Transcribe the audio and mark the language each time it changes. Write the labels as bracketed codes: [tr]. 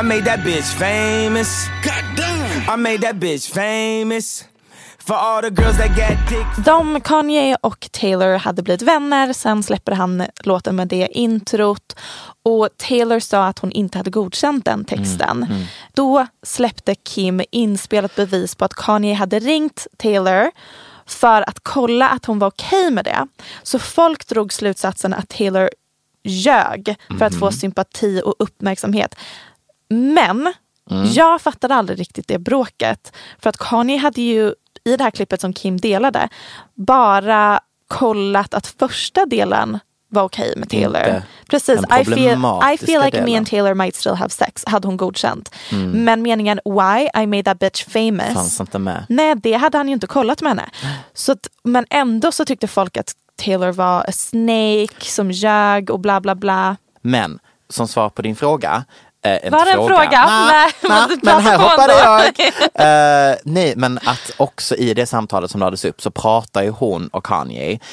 [en] I made that bitch famous. God damn. I made that bitch famous. For all the girls that get dick. [sv] De, Kanye och Taylor, hade blivit vänner. Sen släpper han låten med det introt. Och Taylor sa att hon inte hade godkänt den texten. Då släppte Kim inspelat bevis på att Kanye hade ringt Taylor för att kolla att hon var okej med det. Så folk drog slutsatsen att Taylor ljög för att få sympati och uppmärksamhet. Men jag fattade aldrig riktigt det bråket. För att Kanye hade ju i det här klippet som Kim delade bara kollat att första delen var okej med Taylor. Precis. [en] I feel like [sv] delen. [en] Me and Taylor might still have sex, [sv] hade hon godkänt. Men meningen [en] why I made that bitch famous [sv] fanns inte med. Nej, det hade han ju inte kollat med henne. Men ändå så tyckte folk att Taylor var [en] a snake [sv] som ljög och bla bla bla. Men som svar på din fråga, var det en fråga? Men här hoppade jag. Nej, men att också i det samtalet som lades upp så pratar ju hon och Kanye.